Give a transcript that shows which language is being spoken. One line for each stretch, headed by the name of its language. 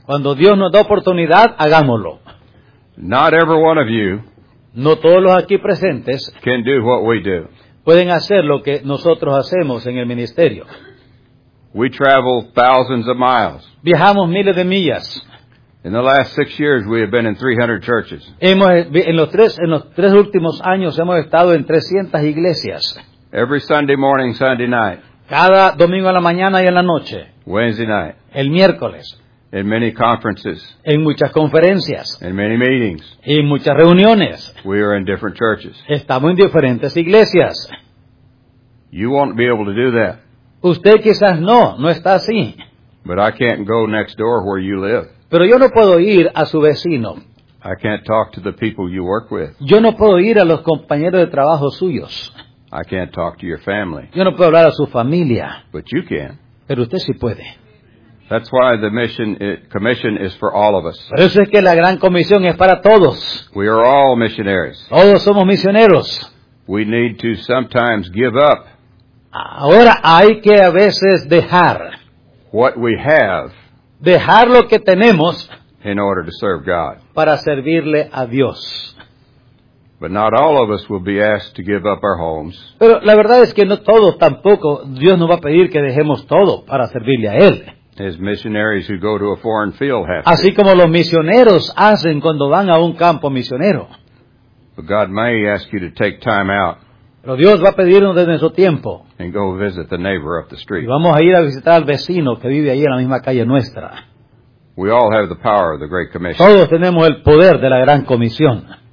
Spanish: Cuando Dios nos da oportunidad, hagámoslo.
English: Not every one of you.
Spanish: No todos los aquí presentes.
English: Can do what we do.
Spanish: Pueden hacer lo que nosotros hacemos en el ministerio.
English: We travel thousands of miles.
Spanish: Viajamos miles de millas.
English: In the last 6 years, we have been in 300 churches.
Spanish: En los tres últimos años hemos estado en 300 iglesias.
English: Every Sunday morning, Sunday night.
Spanish: Cada domingo a la mañana y en la noche.
English: Wednesday night.
Spanish: El miércoles.
English: In many conferences.
Spanish: En muchas conferencias.
English: In many meetings.
Spanish: Y muchas reuniones.
English: We are in different churches.
Spanish: Estamos en diferentes iglesias.
English: You won't be able to do that.
Spanish: Usted quizás no está así.
English: But I can't go next door where you live.
Spanish: Pero yo no puedo ir a su vecino.
English: I can't talk to the people you work with.
Spanish: Yo no puedo ir a los compañeros de trabajo suyos.
English: I can't talk to your family.
Spanish: Yo no puedo hablar a su familia.
English: But you can.
Spanish: Pero usted sí puede.
English: That's why the commission is for all of us.
Spanish: Por eso es que la Gran Comisión es para todos.
English: We are all missionaries.
Spanish: Todos somos misioneros.
English: We need to sometimes give up.
Spanish: Ahora hay que a veces dejar.
English: What we have.
Spanish: Dejar lo que tenemos.
English: In order to serve God.
Spanish: Para servirle a Dios.
English: But not all of us will be asked to give up our homes.
Spanish: Pero la verdad es que no todos tampoco. Dios nos va a pedir que dejemos todo para servirle a Él.
English: As missionaries who go to a foreign field have to.
Spanish: Así como los misioneros hacen cuando van a un campo misionero.
English: But God may ask you to take time out.
Spanish: Pero Dios va a pedirnos desde su tiempo.
English: And go visit the neighbor up the street.
Spanish: Y vamos a ir a visitar al vecino que vive ahí en la misma calle nuestra.
English: We all have the power of the Great Commission.
Spanish: Todos tenemos el poder de la Gran Comisión.